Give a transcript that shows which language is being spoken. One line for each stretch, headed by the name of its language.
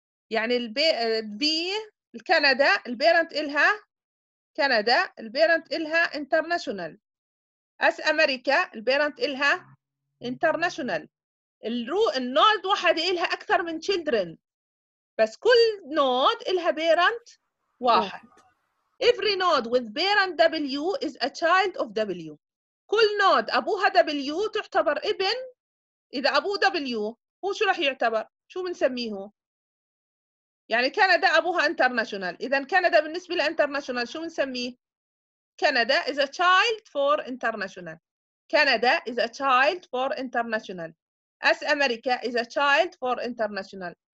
Arabic: يعني البي الكندا البيرنت إلها كندا البيرنت إلها انترناشونال أس أمريكا البيرنت إلها انترناشونال النود واحدة إلها أكثر من children، بس كل نود إلها parent واحد.
English: Every node with parent W is a child of W.
Arabic: كل نود أبوها W تعتبر ابن. إذا أبوه W هو شو رح يعتبر؟ شو بنسميه؟ يعني كندا أبوها international. إذا كندا بالنسبة لانترناشونال شو بنسميه؟ كندا
English: is a child for international. Canada is a child for international. As America is a child for international.